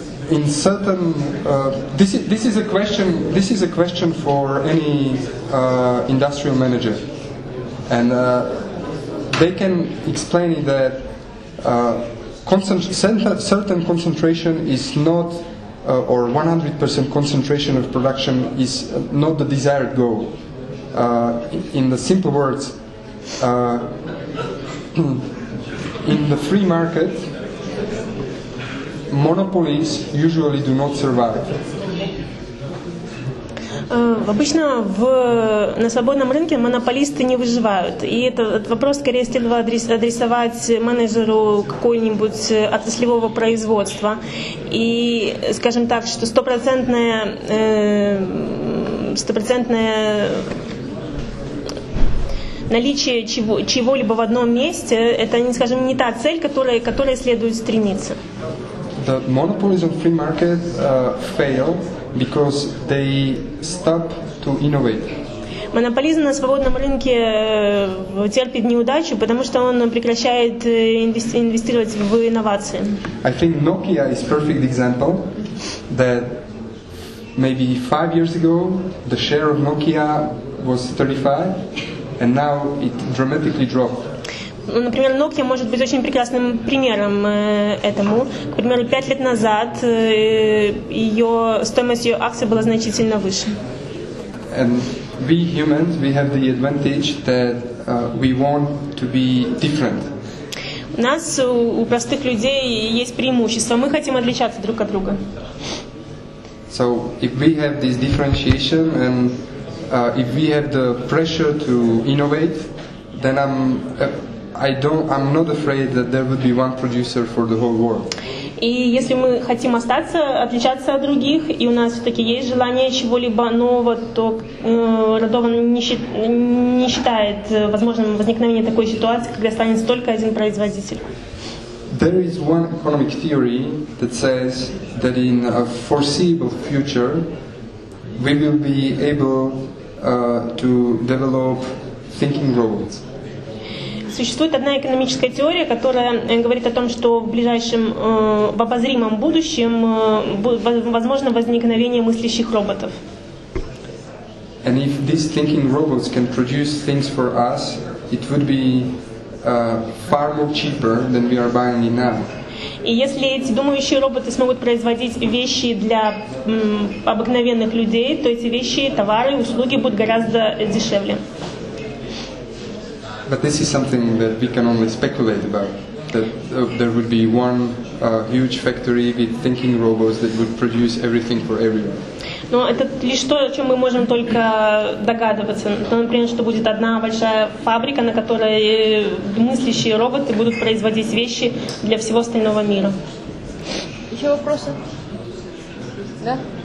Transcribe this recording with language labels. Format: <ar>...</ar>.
<en>In certain, this is a question for any industrial manager, and they can explain it that certain concentration is not, or 100% concentration of production is not the desired goal. In the simple words, in the free market, monopolies usually do not survive.</en> <ru>Обычно на свободном рынке монополисты не выживают. И этот вопрос скорее следует адресовать менеджеру какого-нибудь отраслевого производства. И, скажем так, что стопроцентное наличие чего-либо в одном месте, это, скажем, не та цель, которой следует стремиться.</ru> <en>The monopolies of free market fail because they stop to innovate.</en> <ru>Монополизм на свободном рынке терпит неудачу, потому что он прекращает инвестировать в инновации.</ru> <en>I think Nokia is perfect example that maybe 5 years ago the share of Nokia was 35 and now it dramatically dropped.</en> <ru>Например, Nokia может быть очень прекрасным примером этому. К примеру, 5 лет назад стоимость ее акций была значительно выше.</ru> <en>And we humans, we have the advantage that we want to be different.</en> <ru>У нас, у простых людей, есть преимущество. Мы хотим отличаться друг от друга.</ru> <en>So, if we have this differentiation and if we have the pressure to innovate, then I'm not afraid that there would be one producer for the whole world.</en> <ru>И если мы хотим остаться, отличаться от других, и у нас все-таки есть желание чего-либо нового, то Радован не считает возможным возникновение такой ситуации, когда останется только один производитель.</ru> <en>There is one economic theory that says that in a foreseeable future we will be able to develop thinking robots.</en> <ru>Существует одна экономическая теория, которая говорит о том, что в ближайшем, в обозримом будущем, возможно возникновение мыслящих роботов.</ru> <en>And if these thinking robots can produce things for us, it would be far more cheaper than we are buying it now.</en> <ru>И если эти думающие роботы смогут производить вещи для обыкновенных людей, то эти вещи, товары, услуги будут гораздо дешевле.</ru> <en>But this is something that we can only speculate about, that there would be one huge factory with thinking robots that would produce everything for everyone.</en> <ru>Но это лишь то, о чем мы можем только догадываться. Например, что будет одна большая фабрика, на которой мыслящие роботы будут производить вещи для всего остального мира. Еще вопросы? Да?</ru>